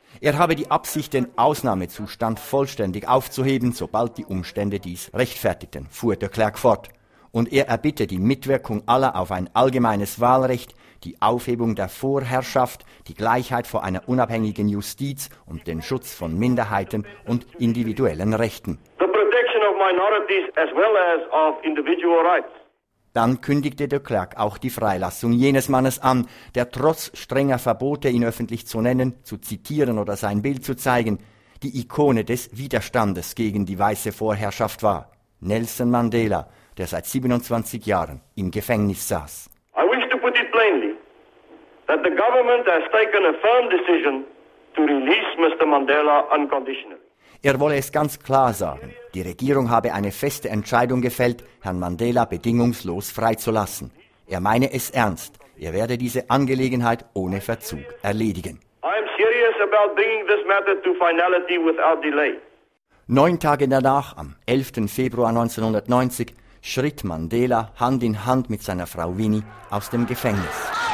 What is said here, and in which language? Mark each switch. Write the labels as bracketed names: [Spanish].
[German] Er habe die Absicht, den Ausnahmezustand vollständig aufzuheben, sobald die Umstände dies rechtfertigten, fuhr de Klerk fort. Und er erbitte die Mitwirkung aller auf ein allgemeines Wahlrecht, die Aufhebung der Vorherrschaft, die Gleichheit vor einer unabhängigen Justiz und den Schutz von Minderheiten und individuellen Rechten. [English] The protection of minorities as well as of individual rights. [German] Dann kündigte de Klerk auch die Freilassung jenes Mannes an, der trotz strenger Verbote, ihn öffentlich zu nennen, zu zitieren oder sein Bild zu zeigen, die Ikone des Widerstandes gegen die weiße Vorherrschaft war, Nelson Mandela, der seit 27 Jahren im Gefängnis saß. [English] I wish to put it plainly, that the government has taken a firm decision to release Mr. Mandela unconditionally. [German] Er wolle es ganz klar sagen, die Regierung habe eine feste Entscheidung gefällt, Herrn Mandela bedingungslos freizulassen. Er meine es ernst, er werde diese Angelegenheit ohne Verzug erledigen. [English] I am serious about bringing this matter to finality without delay. [German] 9 Tage danach, am 11. Februar 1990, schritt Mandela Hand in Hand mit seiner Frau Winnie aus dem Gefängnis.